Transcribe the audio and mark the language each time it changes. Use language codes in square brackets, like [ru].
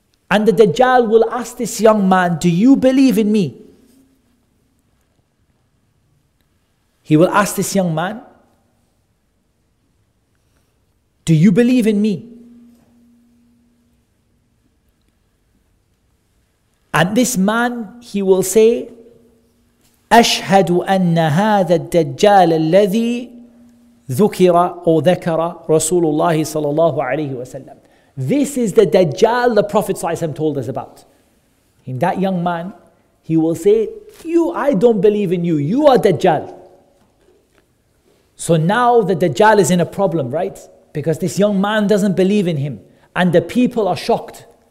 [en] And the Dajjal will ask this young man, do you believe in me? He will ask this young man, do you believe in me? And this man, he will say, [ar] أَشْهَدُ أَنَّ هَذَا الدَّجَّالَ الَّذِي ذُكِرَ أَوْ ذَكَرَ رَسُولُ اللَّهِ صَلَى اللَّهُ عَلَيْهِ وَسَلَّمْ. [en] This is the Dajjal the Prophet ﷺ told us about. In that young man, he will say, I don't believe in you. You are Dajjal. So now the Dajjal is in a problem, right? Because this young man doesn't believe in him. And the people are shocked.